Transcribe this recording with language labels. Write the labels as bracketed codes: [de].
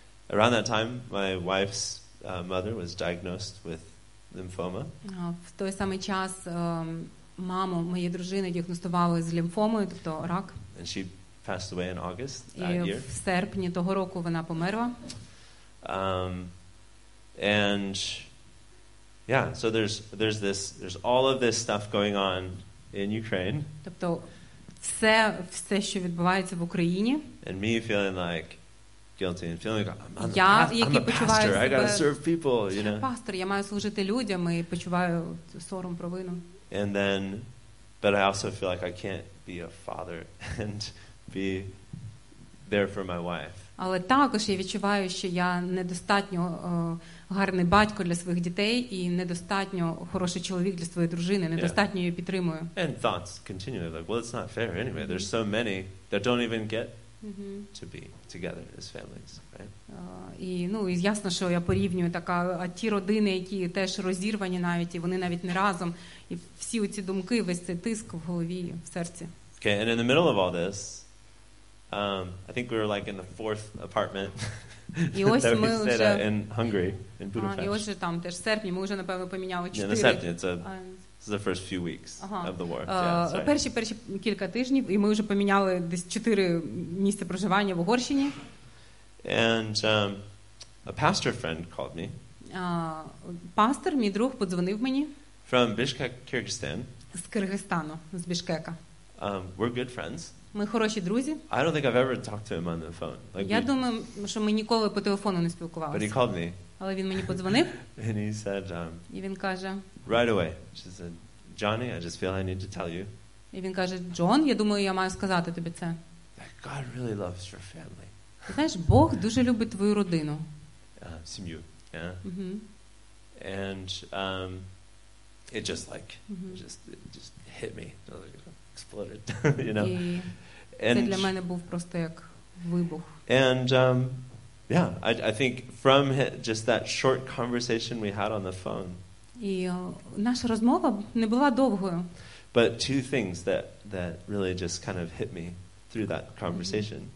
[en] Around that time my wife's mother was diagnosed with lymphoma. [uk] В той самий час маму моєї дружини діагностували з лімфомою, тобто рак. [en] And she passed away in August that year. [uk] В серпні того року вона померла. [en] And yeah, so there's all of this stuff going on in Ukraine. [uk] Тобто все, що відбувається в Україні. [en] And me feeling like guilty and feeling like I'm a pastor, I gotta serve people, you know. [uk] Пастор, я маю служити людям, і почуваю сором, провину. [en] And then, but I also feel like I can't be a father and be there for my wife. [uk] Але також я відчуваю, що я недостатньо гарний батько для своїх дітей і недостатньо хороший чоловік для своєї дружини, недостатньо її підтримую. [en] And thoughts continue, like, well, it's not fair anyway. There's so many that don't even get to be together as families, right? [uk] І ясно, що я порівнюю така, а ті родини, які теж розірвані навіть, і вони навіть не разом, і всі оці думки, весь цей тиск в голові, в серці. [en] Okay, and in the middle of all this, I think we were like in the fourth apartment. [uk] І ось ми вже [en] in Hungary, in Budapest. [uk] І ось там теж в серпні ми вже, напевно, поміняли 4. [en] Yeah, in the this is the first few weeks of the war. [uk] Перші кілька тижнів, і ми вже поміняли десь 4 місця проживання в Угорщині. [en] And a pastor friend called me. [uk] Пастор, мій друг, подзвонив мені. [en] From Bishkek, Kyrgyzstan. [uk] З Киргизстану, з Бішкека. [en] We're good friends. [uk] Ми хороші друзі. [en] I don't think I've ever talked to him on the phone. [uk] Like, я думаю, що ми ніколи по телефону не спілкувалися. [en] But he called me. [uk] Але він мені подзвонив. [en] And he said, [uk] і він каже, [en] right away. She said, Johnny, I just feel I need to tell you. [uk] І він каже, Джон, я думаю, я маю сказати тобі це. [en] That God really loves your family. [uk] Ти знаєш, Бог дуже любить твою родину. Сім'ю, yeah? Mm-hmm. [en] And it just hit me. It exploded, you know? [uk] And це для мене був просто як вибух. [en] And I think from just that short conversation we had on the phone. [uk] І наша розмова не була довгою. [en] But two things that really just kind of hit me through that conversation.